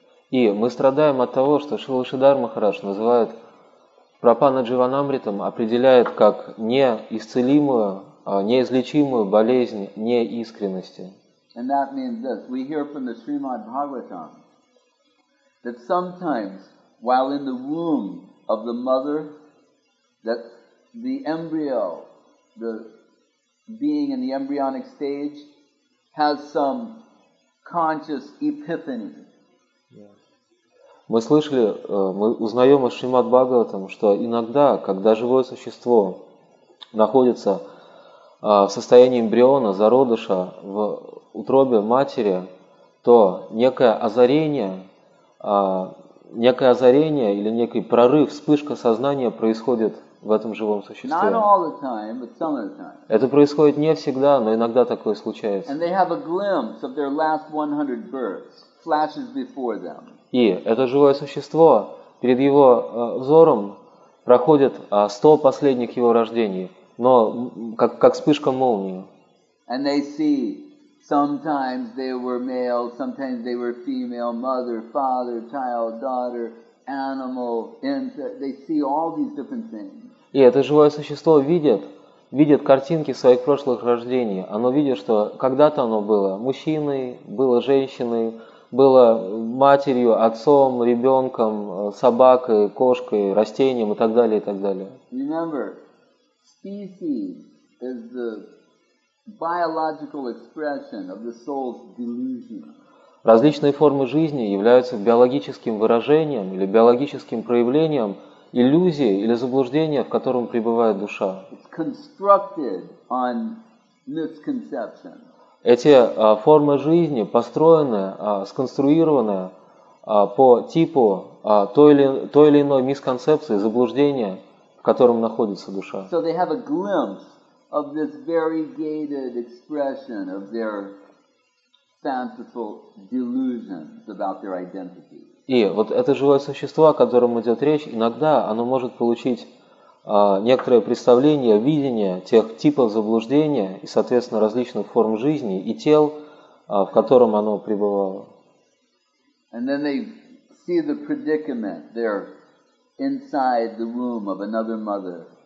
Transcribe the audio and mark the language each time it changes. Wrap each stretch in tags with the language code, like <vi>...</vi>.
<ru>И мы страдаем от того, что Шрила Сиддхарта Махарадж называет Прапана Дживанамритом, определяет как неисцелимую, неизлечимую болезнь неискренности.</ru> <en>And that means this. We hear from the Srimad Bhagavatam that sometimes while in the womb of the mother that the embryo, the being in the embryonic stage has some conscious epiphany.</en> <ru>Мы слышали, мы узнаем из Шримад Бхагаватам, что иногда, когда живое существо находится в состоянии эмбриона, зародыша, в утробе матери, то некое озарение или некий прорыв, вспышка сознания происходит в этом живом существе.</ru> <en>Not all the time, but some of the time.</en> <ru>Это происходит не всегда, но иногда такое случается.</ru> <en>And they have a glimpse of their last 100 births, flashes before them.</en> <ru>И это живое существо перед его взором проходит 100 последних его рождений, но как вспышка молнии.</ru> <en>And they see sometimes they were male, sometimes they were female, mother, father, child, daughter, animal, insect. They see all these different things.</en> <ru>И это живое существо видит картинки своих прошлых рождений. Оно видит, что когда-то оно было мужчиной, было женщиной, было матерью, отцом, ребенком, собакой, кошкой, растением и так далее, и так далее.</ru> <en>Remember, species is the biological expression of the soul's delusion.</en> <ru>Различные формы жизни являются биологическим выражением или биологическим проявлением иллюзии или заблуждения, в котором пребывает душа.</ru> <en>It's constructed on misconception.</en> <ru>Эти формы жизни построены, сконструированы по типу той или иной мисконцепции, заблуждения, в котором находится душа.</ru> <en>So they have a glimpse of this variegated expression of their fanciful delusions about their identity.</en> <ru>И вот это живое существо, о котором идет речь, иногда оно может получить некоторое представление, видение тех типов заблуждения и, соответственно, различных форм жизни и тел, в котором оно пребывало.</ru> <en>And then they see the predicament. They're inside the womb of another mother.</en>